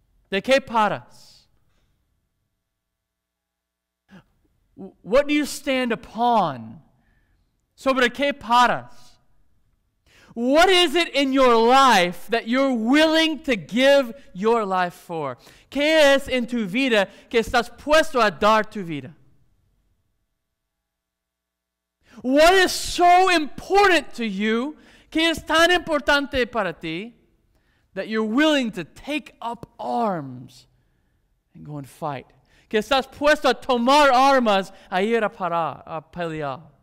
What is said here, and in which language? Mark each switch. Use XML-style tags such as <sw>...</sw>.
<es>¿De qué paras?</es> <en>What do you stand upon?</en> <es>¿Sobre qué paras?</es> <en>What is it in your life that you're willing to give your life for?</en> <es>¿Qué es en tu vida que estás puesto a dar tu vida?</es> <en>What is so important to you</en> <es>que es tan importante para ti</es> <en>that you're willing to take up arms and go and fight?</en> <es>que estás puesto a tomar armas, a ir a parar, a pelear.</es>